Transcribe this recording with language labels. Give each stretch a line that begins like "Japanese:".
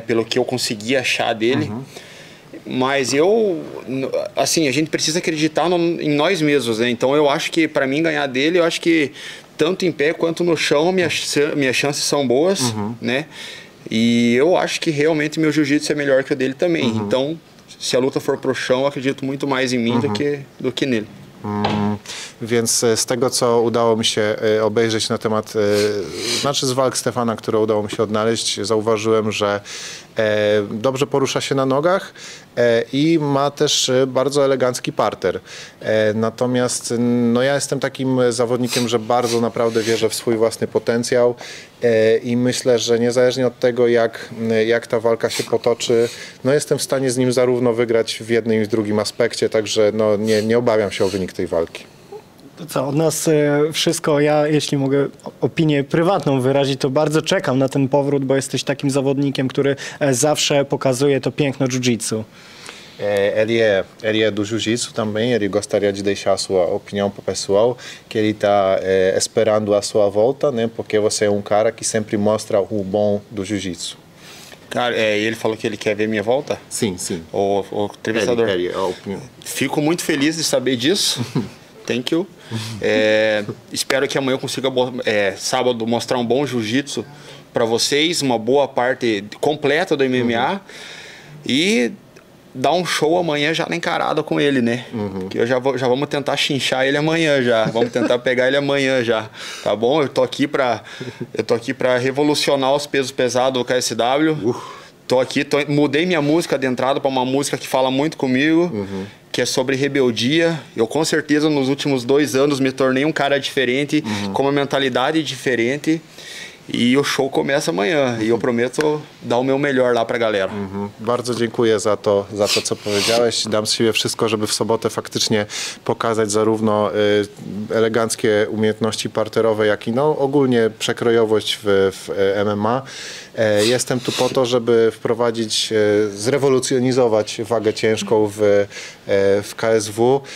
Portuguese: Pelo que eu consegui achar dele. Uhum. Mas eu, assim, a gente precisa acreditar em nós mesmos, né? Então eu acho que para mim ganhar dele, eu acho que tanto em pé quanto no chão, minhas chances são boas, né? E eu acho que realmente meu jiu-jitsu é melhor que o dele também. Uhum. Então, se a luta for pro chão, acredito muito mais em mim do que nele.
Polish: Więc z tego, co udało mi się obejrzeć na temat, znaczy z walk Stefana, które udało mi się odnaleźć, zauważyłem, że dobrze porusza się na nogach i ma też bardzo elegancki parter. Natomiast no, ja jestem takim zawodnikiem, że bardzo naprawdę wierzę w swój własny potencjał i myślę, że niezależnie od tego, jak ta walka się potoczy, no, jestem w stanie z nim zarówno wygrać w jednym i w drugim aspekcie, także no, nie obawiam się o wynik tej walki. To co, od nas wszystko, ja jeśli mogę opinię prywatną wyrazić, to bardzo czekam na ten powrót, bo jesteś takim zawodnikiem, który zawsze pokazuje to piękno jiu-jitsu.
Portuguese: Ele é do jiu-jitsu também, ele gostaria de deixar a sua opinião para o pessoal, que ele está esperando a sua volta, né? Porque você é cara que sempre mostra o bom do jiu-jitsu. Cara, ele falou que ele quer ver minha volta? Sim, sim. O entrevistador. Ele, a opinião. Fico muito feliz de saber disso.
English: Thank you.
Portuguese: Espero que amanhã eu consiga, sábado, mostrar um bom jiu-jitsu para vocês, uma boa parte completa do MMA e dar um show amanhã já na encarada com ele, né? Que eu já vamos tentar chinchar ele amanhã já, vamos tentar pegar ele amanhã já, tá bom? Eu tô aqui para revolucionar os pesos pesados do KSW. Tô aqui, mudei minha música de entrada para uma música que fala muito comigo. Que é sobre rebeldia. Eu com certeza nos últimos 2 anos me tornei um cara diferente, com uma mentalidade diferente. E o show começa amanhã. E eu prometo dar o meu melhor lá pra galera.
Polish: Bardzo dziękuję za to, co powiedziałeś. Dam z siebie wszystko, żeby w sobotę faktycznie pokazać zarówno eleganckie umiejętności parterowe, jak i no, ogólnie przekrojowość w MMA. Jestem tu po to, żeby wprowadzić, zrewolucjonizować wagę ciężką w KSW.